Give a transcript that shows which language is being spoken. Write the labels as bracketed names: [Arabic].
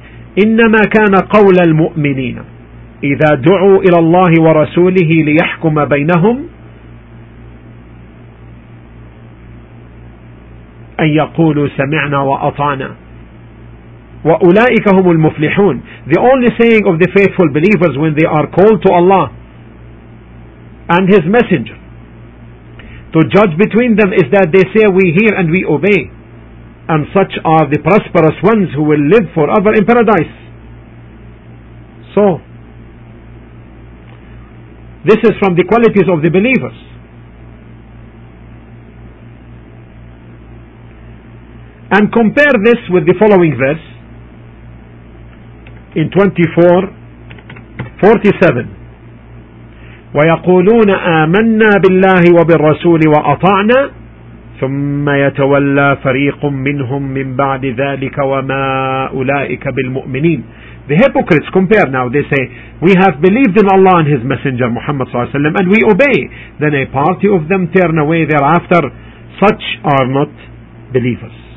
[Arabic] إنما كان قول المؤمنين إذا دعوا إلى الله ورسوله ليحكم بينهم أن يقولوا سمعنا وأطعنا. وَأُولَٰئِكَ هُمُ الْمُفْلِحُونَ. [English] The only saying of the faithful believers when they are called to Allah and His Messenger to judge between them is that they say, we hear and we obey. And such are the prosperous ones who will live forever in paradise. So, this is from the qualities of the believers. And compare this with the following verse. In 24:47, [Arabic] ويقولون آمنا بالله وبالرسول وأطعنا ثم يتولى فريق منهم من بعد ذلك وما أولئك بالمؤمنين. [English] The hypocrites compare now. They say, we have believed in Allah and His Messenger Muhammad [Arabic] صلى الله عليه وسلم, [English] and we obey. Then a party of them turn away thereafter. Such are not believers.